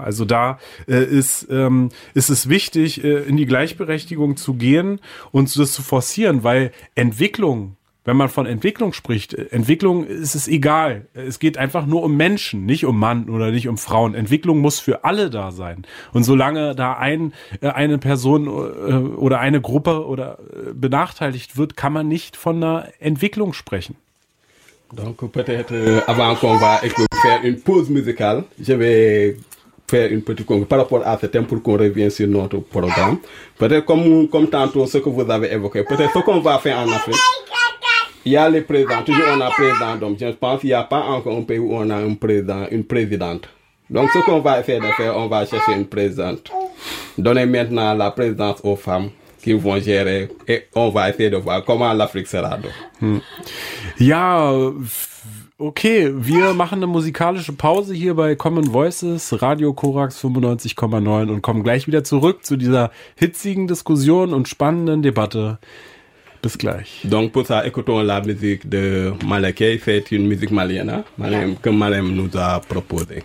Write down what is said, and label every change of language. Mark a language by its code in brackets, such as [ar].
[de] Also da ist es wichtig, in die Gleichberechtigung zu gehen und das zu forcieren, weil Entwicklung, wenn man von Entwicklung spricht, Entwicklung ist es egal. Es geht einfach nur um Menschen, nicht um Mann oder nicht um Frauen. Entwicklung muss für alle da sein. Und solange da eine Person oder eine Gruppe oder benachteiligt wird, kann man nicht von einer Entwicklung sprechen. [fr] Donc peut-être avant qu'on va faire une pause musicale, je vais faire une petite conclusion par rapport à ce thème pour qu'on revienne sur notre programme. Peut-être comme tantôt ce que vous avez évoqué, peut-être ce qu'on va faire en Afrique. Il y a les présidents, toujours on a président d'hommes. Je pense qu'il n'y a pas encore un pays où on a un président, une présidente. Donc ce qu'on va essayer de faire, on va chercher une présidente. Donner maintenant la présidence aux femmes qui vont gérer et on va essayer de voir comment l'Afrique sera. [de] Ja, okay, wir machen eine musikalische Pause hier bei Common Voices, Radio Korax 95,9 und kommen gleich wieder zurück zu dieser hitzigen Diskussion und spannenden Debatte. Bis gleich. [fr] Donc pour ça, écoutons la musique de Malakai. C'est une musique malienne, hein, que Malem nous a proposée.